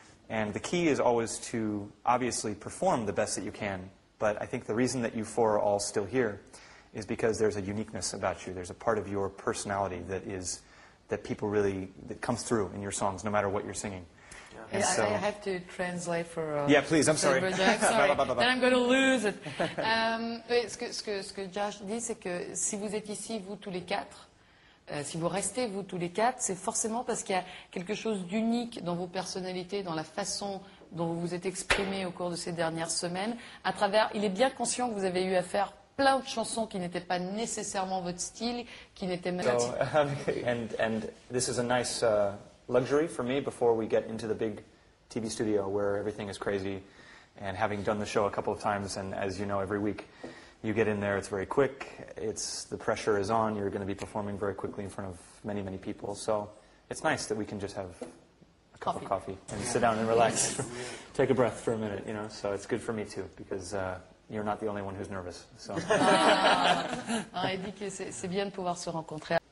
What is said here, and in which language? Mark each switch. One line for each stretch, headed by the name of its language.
English: And the key is always to obviously perform the best that you can, but I think the reason that you four are all still here is because there's a uniqueness about you. There's a part of your personality that is... that people really, that comes through in your songs, no matter what you're singing. Yeah, and so, I have to translate for... yeah, please, I'm sorry. Sorry. Then I'm going to lose it.
French: Ce que Josh dit, c'est que si vous êtes ici, vous tous les quatre, si vous restez, vous tous les quatre, c'est forcément parce qu'il y a quelque chose d'unique dans vos personnalités, dans la façon dont vous vous êtes exprimé au cours de ces dernières semaines. À travers, il est bien conscient que vous avez eu affaire plein de chansons qui n'étaient pas nécessairement votre style, qui n'étaient même pas...
English: And this is a nice luxury for me before we get into the big TV studio where everything is crazy. And having done the show a couple of times, and as you know, every week you get in there, it's very quick. It's, the pressure is on. You're going to be performing very quickly in front of many, many people. So it's nice that we can just have a cup of coffee and sit down and relax. Take a breath for a minute, you know. So it's good for me too, because... you're not the only one who's nervous, so.
French: Ah, il dit que c'est bien de pouvoir se rencontrer.